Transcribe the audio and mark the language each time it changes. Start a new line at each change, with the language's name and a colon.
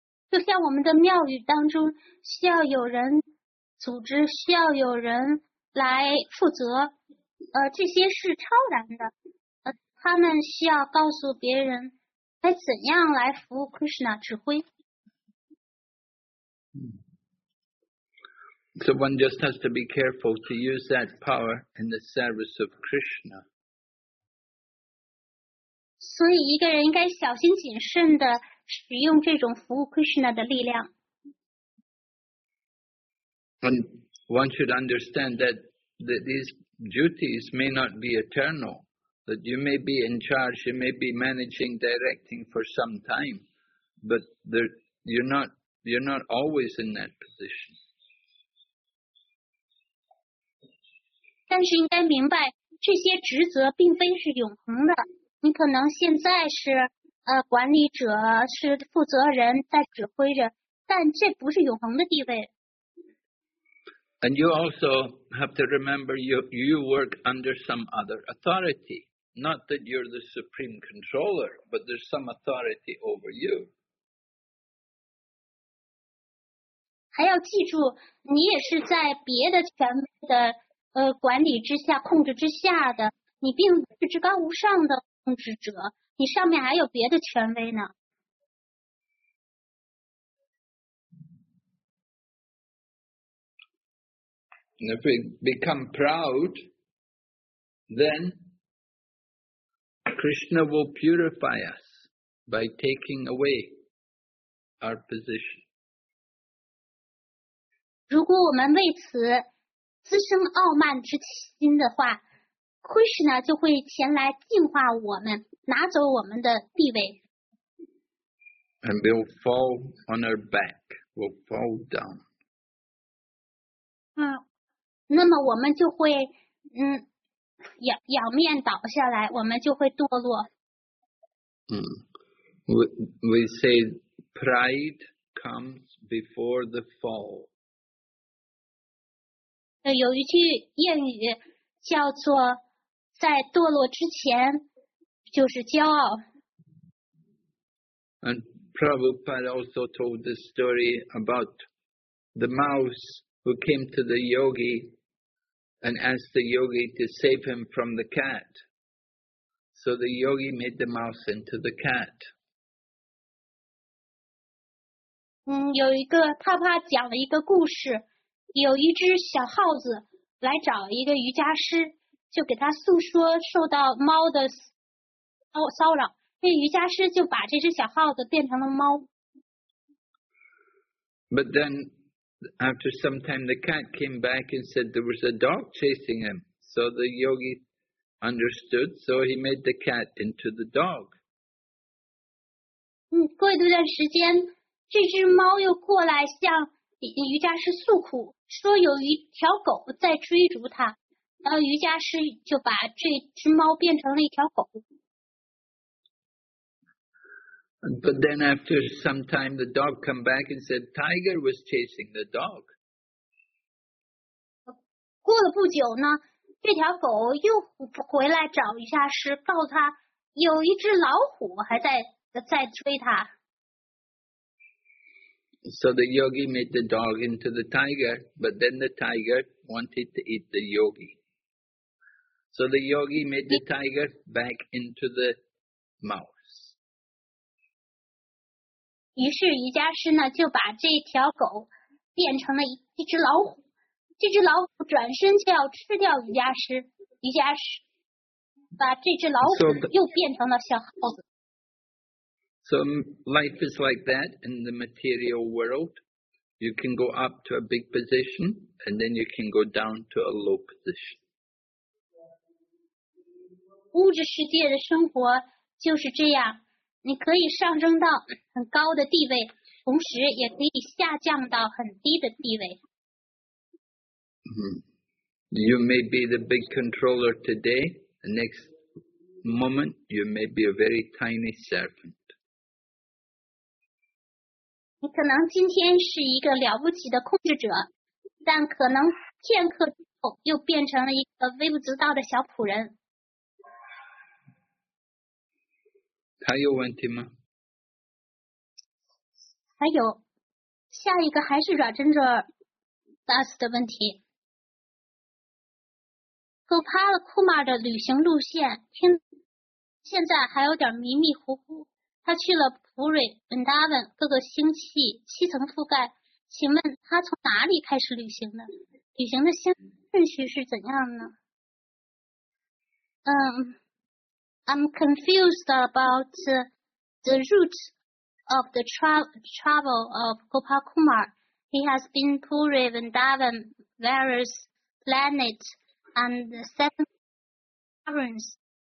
Chinese: 就像我们的庙宇当中，需要有人组织，需要有人来负责，这些是超然的，他们需要告诉别人该怎样来服务 Krishna 指挥。
English: So one just has to be careful to use that power in the service of Krishna.
Chinese: 所以一个人应该小心谨慎地使用这种服务 Krishna 的力量。
English: And one should understand that these duties may not be eternal. That you may be in charge, you may be managing, directing for some time, but you're not always in that position.
Chinese: 但是应该明白，这些职责并非是永恒的。你可能现在是管理者，是负责人，在指挥着，但这不是永恒的地位。
English: And you also have to remember you work under some other authority. Not that you're the supreme controller, but there's some authority over you.
Chinese: 还要记住，你也是在别的权威的管理之下、控制之下的，你并不是至高无上的控制者，你上面还有别的权威呢。
English: And if we become proud, then. Krishna will purify us by taking away our position.
Chinese: 如果我们为此滋生傲慢之心的话， Krishna 就会前来净化我们，拿走我们的地位。
English: And we'll fall on our back, we'll fall down.
Chinese: 那么我们就会仰面倒下来，我们就会堕落。
English: We say pride comes before the fall.
Chinese: 有一句谚语叫做在堕落之前就是骄傲。
English: And Prabhupada also told the story about the mouse who came to the yogi. And asked the yogi to save him from the cat. So the yogi made the mouse into the cat.
Chinese: 有一个帕帕讲了一个故事，有一只小耗子来找一个瑜伽师，就给他诉说受到猫的骚扰，那瑜伽师就把这只小耗子变成了猫。
English: But then, after some time, the cat came back and said there was a dog chasing him. So the yogi understood, so he made the cat into the dog.
Chinese: 过一段时间，这只猫又过来向瑜伽师诉苦，说有一条狗在追逐他，然后瑜伽师就把这只猫变成了一条狗。
English: But then after some time, the dog came back and said, Tiger was chasing the dog.
Chinese: 过了不久呢，这条狗又回来找瑜伽师，告诉他有一只老虎还在追他。
English: So the yogi made the dog into the tiger, but then the tiger wanted to eat the yogi. So the yogi made the tiger back into the mouse.
Chinese: 于是瑜伽师呢就把这条狗变成了一只老虎，这只老虎转身就要吃掉瑜伽师，瑜伽师把这只老虎又变成了小耗子。
English: So life is like that in the material world. You can go up to a big position, and then you can go down to a low position.
Chinese: 物质世界的生活就是这样，你可以上升到很高的地位，同时也可以下降到很低的地位。
English: You may be the big controller today, the next moment you may be a very tiny servant.
Chinese: 你可能今天是一个了不起的控制者，但可能片刻之后又变成了一个微不足道的小仆人。还有问题吗？还有，下一个还是软针者 Das 的问题。 Gopal Kumar 的旅行路线现在还有点迷迷糊糊，他去了普瑞、文达文各个星系七层覆盖，请问他从哪里开始旅行的？旅行的先顺序是怎样呢？
English: I'm confused about the route of the travel of Gopal Kumar. He has been Puri, Vrindavan, various planets, and seven caverns.